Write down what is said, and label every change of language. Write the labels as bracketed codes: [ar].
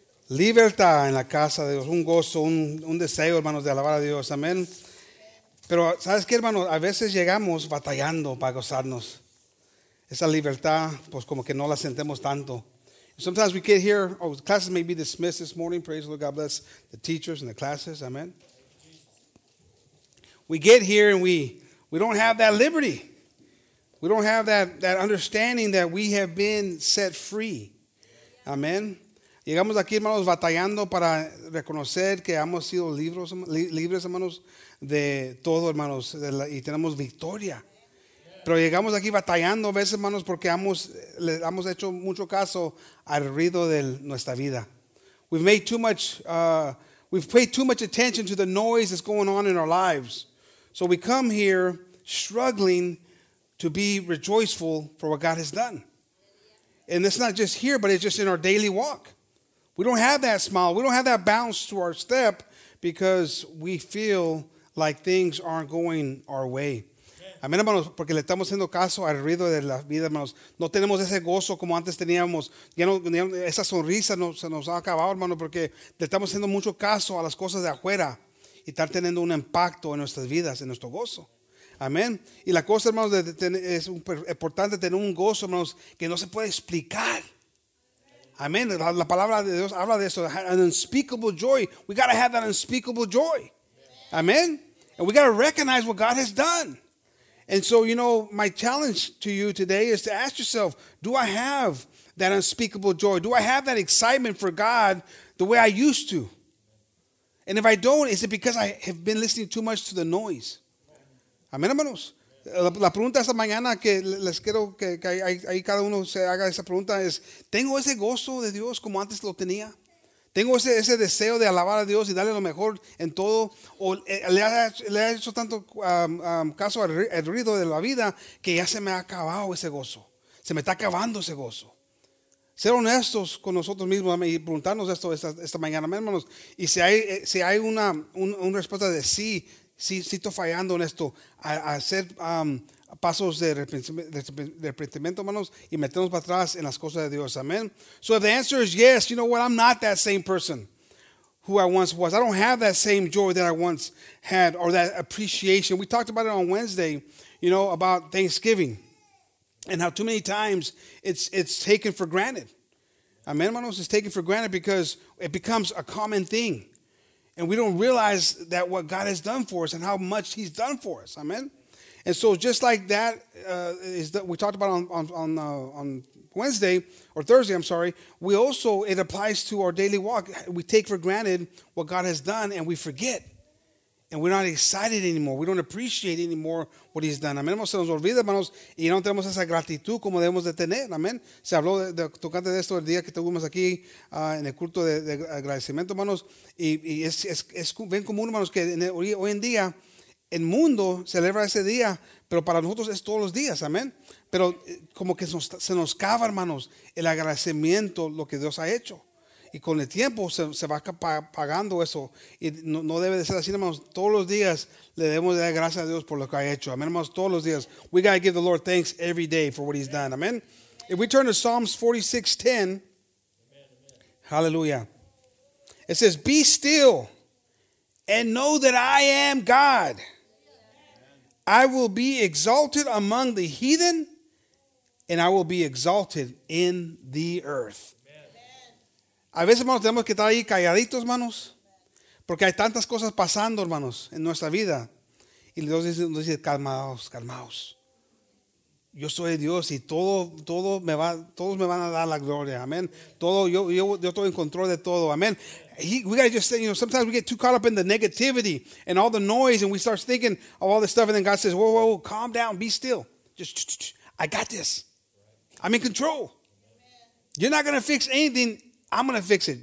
[es] Libertad en la casa de Dios. Un gozo, un deseo, hermanos, de alabar a Dios. Amén. Pero, ¿sabes qué, hermanos? A veces llegamos batallando para gozarnos. Esa libertad, pues como que no la sentemos tanto. [en] Sometimes we get here, classes may be dismissed this morning. Praise the Lord. God bless the teachers and the classes. Amén. We get here and we don't have that liberty. We don't have that understanding that we have been set free. [es] Amén. Llegamos aquí, hermanos, batallando para reconocer que hemos sido libres, hermanos, de todo, hermanos, y tenemos victoria. Pero llegamos aquí batallando a veces, hermanos, porque hemos hecho mucho caso al ruido de nuestra vida. [en] We've paid too much attention to the noise that's going on in our lives. So we come here struggling to be rejoiceful for what God has done. And it's not just here, but it's just in our daily walk. We don't have that smile. We don't have that bounce to our step because we feel like things aren't going our way. [es] Amén, hermanos, porque le estamos haciendo caso al ruido de la vida, hermanos. No tenemos ese gozo como antes teníamos. Esa sonrisa se nos ha acabado, hermano, porque le estamos haciendo mucho caso a las cosas de afuera y están teniendo un impacto en nuestras vidas, en nuestro gozo. Amén. Y la cosa, hermanos, es importante tener un gozo, hermanos, que no se puede explicar. Amén. La palabra de Dios habla de eso. [en] An unspeakable joy. We got to have that unspeakable joy. Amén. And we got to recognize what God has done. And so, you know, my challenge to you today is to ask yourself, do I have that unspeakable joy? Do I have that excitement for God the way I used to? And if I don't, is it because I have been listening too much to the noise? [es] Amén, hermanos. La pregunta esta mañana que les quiero que ahí cada uno se haga esa pregunta es, ¿tengo ese gozo de Dios como antes lo tenía? ¿Tengo ese deseo de alabar a Dios y darle lo mejor en todo? ¿O le ha hecho tanto caso al ruido de la vida que ya se me ha acabado ese gozo? Se me está acabando ese gozo. Ser honestos con nosotros mismos y preguntarnos esto esta mañana, hermanos. Y si hay una respuesta de sí, sí, sí estoy fallando en esto, a hacer pasos de arrepentimiento, hermanos, y meternos para atrás en las cosas de Dios. [en] Amen. So if the answer is yes, you know what? I'm not that same person who I once was. I don't have that same joy that I once had or that appreciation. We talked about it on Wednesday, you know, about Thanksgiving and how too many times it's taken for granted. Amen, hermanos? It's taken for granted because it becomes a common thing. And we don't realize that what God has done for us and how much he's done for us. Amen. And so just like that, we talked about on Wednesday, or Thursday, I'm sorry, it applies to our daily walk. We take for granted what God has done, and we forget. And we're not excited anymore. We don't appreciate anymore what he's done. [es] Amén, se nos olvida, hermanos, y no tenemos esa gratitud como debemos de tener. Amén. Se habló de tocante de esto el día que tuvimos aquí en el culto de agradecimiento, hermanos. Y es bien común, hermanos, que hoy en día, el mundo celebra ese día, pero para nosotros es todos los días, amén. Pero como que se nos cava, hermanos, el agradecimiento, lo que Dios ha hecho. Y con el tiempo se va pagando eso. Y no debe de ser así, hermanos. Todos los días le debemos de dar gracias a Dios por lo que ha hecho. Amén, hermanos, todos los días. [en] We got to give the Lord thanks every day for what he's done, amén. If we turn to Psalms 46:10, hallelujah. It says, be still. And know that I am God. I will be exalted among the heathen, and I will be exalted in the earth. [es] A veces, hermanos, tenemos que estar ahí calladitos, hermanos, Porque hay tantas cosas pasando, hermanos, en nuestra vida. Y Dios dice, calmaos, calmaos. Yo soy Dios y todos me van a dar la gloria. Amén. Todo, yo estoy en control de todo. Amén. [en] We gotta just say, you know, sometimes we get too caught up in the negativity and all the noise and we start thinking of all this stuff. And then God says, whoa, whoa, whoa, calm down. Be still. Just, I got this. I'm in control. Amen. You're not going to fix anything. I'm going to fix it.